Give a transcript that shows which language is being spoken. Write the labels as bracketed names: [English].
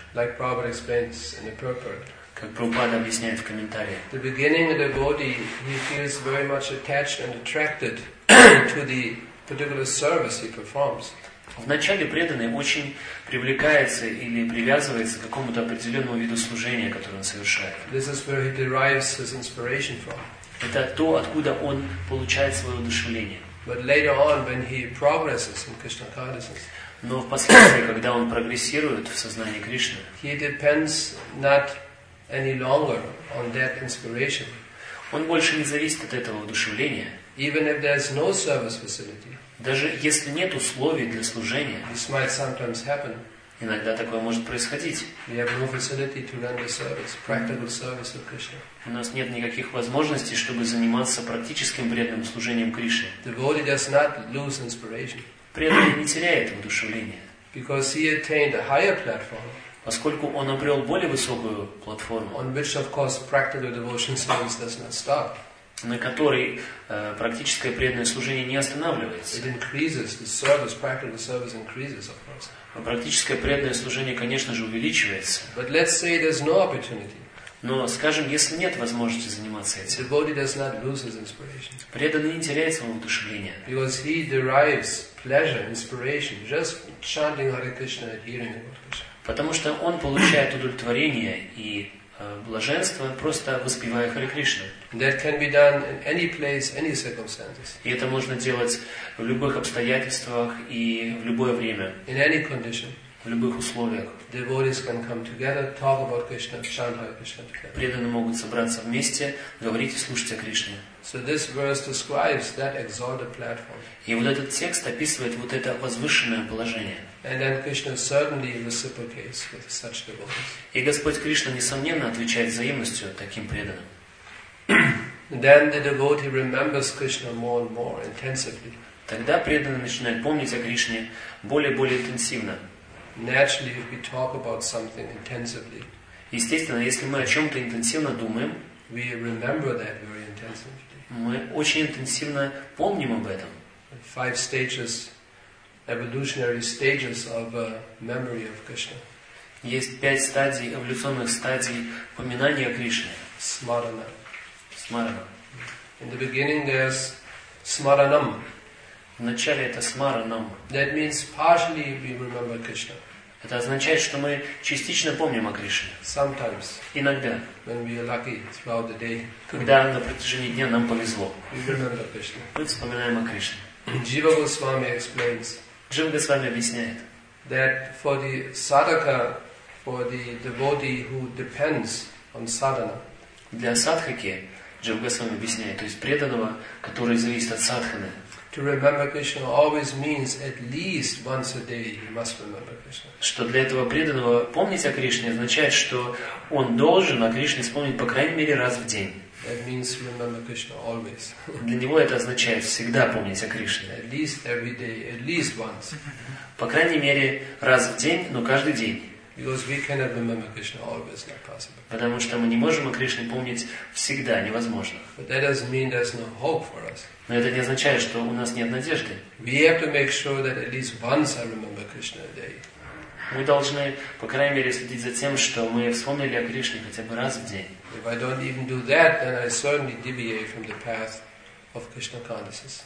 [English] Like Prabhupada explains in the purport. [Russian] Как Прабхупада объясняет в комментарии. [English] The beginning of the devotee, he feels very much attached and attracted to the particular service he performs. [Russian] Вначале преданный очень привлекается или привязывается к какому-то определенному виду служения, которое он совершает. [English] This is where he derives his inspiration from. [Russian] Это то, откуда он получает свое вдохновение. [English] But later on, when he progresses in Krishna consciousness, [Russian] но впоследствии, когда он прогрессирует в сознании Кришны, [English] he depends not any longer on that inspiration. [Russian] Он больше не зависит от этого вдохновения. [English] Even if there's no service facility. [Russian] Даже если нет условий для служения, [English] this might sometimes happen. [Russian] Иногда такое может происходить. [English] We have no facility to render service, practical service of Krishna. [Russian] У нас нет никаких возможностей, чтобы заниматься практическим преданным служением Кришне. [English] Devotee does not lose inspiration. [Russian] Преданный не теряет воодушевление. [English] Because he attained a higher platform. [Russian] Поскольку он обрел более высокую платформу. [English] On which, of course, practical devotion service does not stop. [Russian] На которой практическое преданное служение не останавливается. [English] It increases, the service, practical service increases, of course. [Russian] А практическое преданное служение, конечно же, увеличивается. [English] But let's say there's no opportunity. [Russian] Но, скажем, если нет возможности заниматься этим, [English] devotee does not lose his inspiration. [Russian] Преданный не теряет своего воодушевления. [English] Because he derives pleasure, inspiration, just chanting Hare Krishna and hearing about Krishna. [Russian] Потому что он получает удовлетворение и блаженство, просто воспевая Харе Кришну. [English] That can be done in any place, any circumstances. [Russian] И это можно делать в любых обстоятельствах и в любое время. [English] In any condition. [Russian] В любых условиях. [English] Devotees can come together, talk about Krishna, chant Hare Krishna together. [Russian] Преданные могут собраться вместе, говорить и слушать о Кришне. [English] So this verse describes that exalted platform. [Russian] И вот этот текст описывает вот это возвышенное положение. [English] And then Krishna certainly reciprocates with such devotees. [Russian] И Господь Кришна несомненно отвечает взаимностью таким преданным. [English] Then the devotee remembers Krishna more and more intensively. [Russian] Тогда преданный начинает помнить о Кришне более и более интенсивно. [English] Naturally, if we talk about something intensively, [Russian] естественно, если мы о чем-то интенсивно думаем, [English] we remember that very intensively. [Russian] Мы очень интенсивно помним об этом. [English] Five stages, evolutionary stages of memory of Krishna. [Russian] Есть пять стадий эволюционных стадий поминания Кришны. [English] Smarana. [Russian] Smarana. [English] In the beginning, there's smaranam. [Russian] Вначале это смаранам. [English] That means partially we remember Krishna. [Russian] Это означает, что мы частично помним о Кришне. [English] Sometimes. [Russian] Иногда. [English] When we are lucky throughout the day. [Russian] Когда на протяжении дня нам повезло. [English] We remember Krishna. [Russian] Мы вспоминаем о Кришне. [English] Jiva Goswami explains. [Russian] Jiva Goswami объясняет. [English] That for the sadhaka, for the devotee who depends on sadhana. [Russian] Для садхаки, Jiva Goswami объясняет, то есть преданного, который зависит от садханы. [English] To remember Krishna always means at least once a day he must remember Krishna. [Russian] Что для этого преданного помнить о Кришне означает, что он должен о Кришне вспомнить по крайней мере раз в день. [English] That means remember Krishna always. [Russian] Для него это означает всегда помнить о Кришне. [English] At least every day, at least once. [Russian] По крайней мере раз в день, но каждый день. [English] Because we cannot remember Krishna always, not possible. [Russian] Потому что мы не можем о Кришне помнить всегда, невозможно. [English] But that doesn't mean there's no hope for us. [Russian] Но это не означает, что у нас нет надежды. [English] We have to make sure that at least once I remember Krishna a day. [Russian] Мы должны, по крайней мере, следить за тем, что мы вспомнили о Кришне хотя бы раз в день. [English] If I don't even do that, then I certainly deviate from the path of Krishna consciousness.